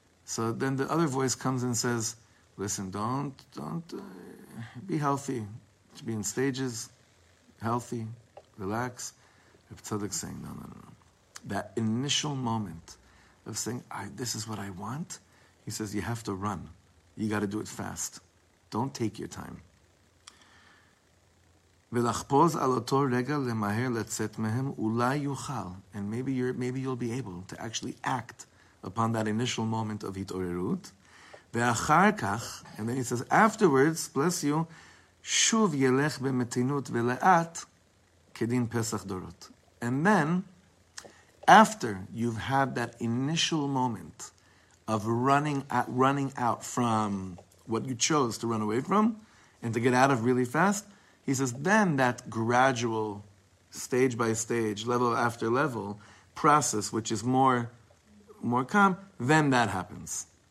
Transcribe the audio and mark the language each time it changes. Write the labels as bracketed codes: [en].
[en] So then the other voice comes and says, listen, don't be healthy. Be in stages, healthy, relax. Reb Tzadok saying, no. That initial moment of saying, this is what I want, he says, you have to run. You got to do it fast. Don't take your time. [he] ולחפוז על אותו רגע למהר לצאת מהם, אולי יוכל, [en] and maybe you'll be able to actually act upon that initial moment of התעוררות, [he] ואחר כך, [en] and then he says, afterwards, bless you, [he] שוב ילך במתינות ולאט, כדין פסח דורות. [en] And then, after you've had that initial moment of running out from what you chose to run away from, and to get out of really fast, he says, then that gradual, stage by stage, level after level, process, which is more calm, then that happens.